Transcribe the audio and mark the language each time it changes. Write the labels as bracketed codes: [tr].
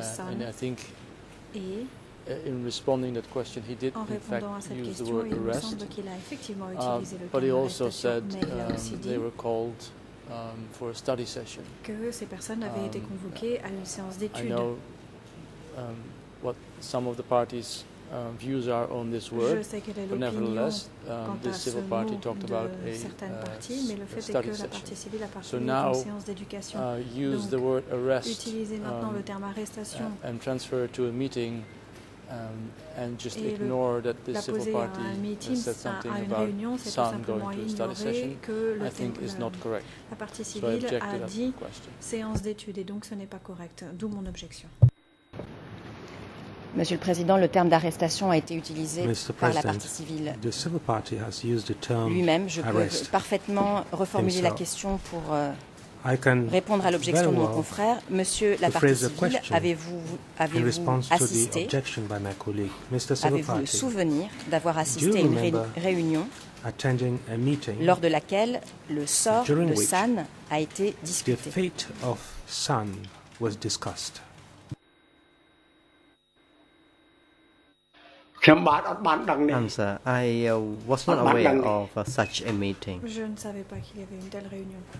[en] And I think, in responding to that question, he did in fact use the word arrest. But he also said they were called for a study session. [fr] Que ces personnes avaient été convoquées à une séance d'études. [en] I know what some of the party's views are on this word, but nevertheless, the civil party talked about a study session. So now, use the word arrest [fr] le terme arrestation [en] and transfer it to a meeting And just ignore that the civil party said something about Sun going to a study session, I think is not correct. So I objected to the question. [fr] Séance d'études, et donc ce n'est pas correct, d'où mon objection. Monsieur le Président, le terme d'arrestation a été utilisé par la partie civile. [en] The civil party has used the term [fr] lui-même, je peux parfaitement reformuler la question pour répondre à l'objection de mon confrère. Monsieur la partie civile, avez-vous le souvenir d'avoir assisté à une réunion [en] attending a meeting [fr] lors de laquelle le sort de San a été discuté? [en] The fate of San was discussed. Answer, I was not aware of such a meeting. [fr] Je ne savais pas qu'il y avait une telle réunion.